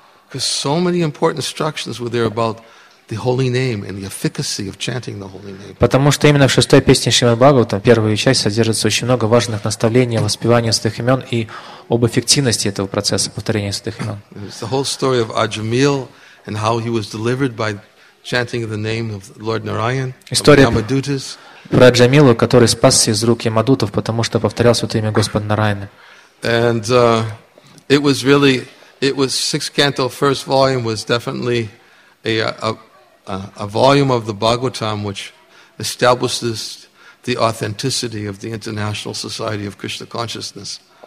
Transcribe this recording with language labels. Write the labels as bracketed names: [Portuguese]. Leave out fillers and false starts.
[English] Because so many important instructions were there about the holy name and the efficacy of chanting the holy name. [Russian] Потому что именно в шестой песне Шримад Бхагаватам первая часть содержится очень много важных наставлений о воспевании святых имен и об эффективности этого процесса повторения святых имен. [English] It's the whole story of Аджамил and how he was delivered by chanting the name of Lord Narayan. [Russian] История про Аджамилу, который спасся из рук Ямадутов, потому что повторял святое имя Господа Нараяны. [English] And it was sixth canto first volume was definitely a volume of the Bhagavatam which establishes the authenticity of the International Society of Krishna Consciousness.